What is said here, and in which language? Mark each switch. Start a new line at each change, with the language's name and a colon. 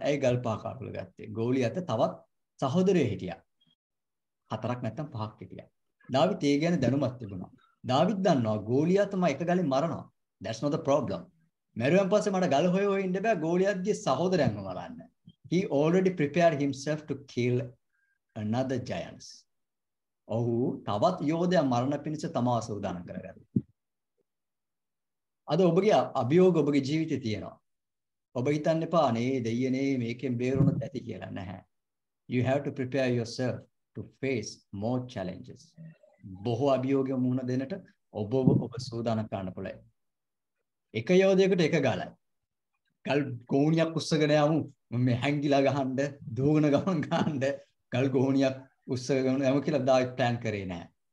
Sinhala: ඇයි ගල් පහක් අතර ගත්තේ? ගෝලියාත් තවත් සහෝදරයෙක් හිටියා. හතරක් නැත්තම් පහක් හිටියා. ඩාවිඩ් ඒ ගැන දැනුමක් තිබුණා. ඩාවිඩ් දන්නවා ගෝලියාත් තමයි එක ගලින් මරනවා.
English: That's not the problem.
Sinhala: මැරුවන් පස්සේ මට ගල හොය හොය ඉන්න බෑ ගෝලියත්ගේ සහෝදරයන්ව මරන්න.
English: He already prepared himself to kill another giants.
Sinhala: ඔහු තවත් යෝධයන් මරණ පිණිස තමාව සූදානම් කරගත්තා. අද ඔබගේ අභියෝග ඔබගේ ජීවිතේ තියෙනවා. ඔබ හිතන්න එපා නේ දෙයියනේ මේකෙන් බේරුණොත් ඇති කියලා නැහැ.
English: You have to prepare yourself to face more challenges.
Sinhala: බොහෝ අභියෝග මුහුණ දෙන්නට ඔබ ඔබ සූදානම් කරන්න පුළුවන්. එක යෝධයෙකුට එක ගලයි. ගල් ගෝණියක් උස්සගෙන යමු. මම හැංගිලා ගහන්න, දෝගන ගමන් ගහන්න, ගල් ගෝණියක් උස්සගෙන යමු කියලා ඩායිට් ප්ලෑන් කරේ නැහැ.